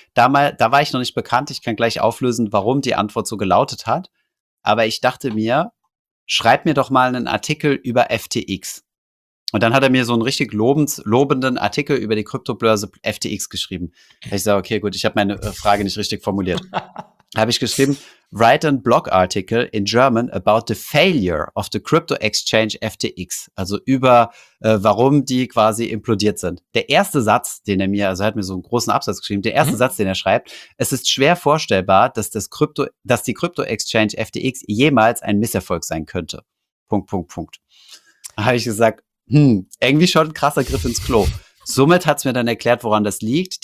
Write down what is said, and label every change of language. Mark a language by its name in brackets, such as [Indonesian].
[German] Da war ich noch nicht bekannt. Ich kann gleich auflösen, warum die Antwort so gelautet hat. Aber ich dachte mir, schreib mir doch mal einen Artikel über FTX. Und dann hat er mir so einen richtig lobenden Artikel über die Kryptobörse FTX geschrieben. Ich sage, okay, gut, ich habe meine Frage nicht richtig formuliert. Habe ich geschrieben, [English] write a blog article in German about the failure of the crypto exchange FTX. [German] Also über, warum die quasi implodiert sind. Der erste Satz, den er mir, also er hat mir so einen großen Absatz geschrieben, der erste Satz, den er schreibt, es ist schwer vorstellbar, dass das Krypto, dass die Crypto Exchange FTX jemals ein Misserfolg sein könnte. Punkt, Punkt, Punkt. Da habe ich gesagt, irgendwie schon ein krasser Griff ins Klo. Somit hat es mir dann erklärt, woran das liegt.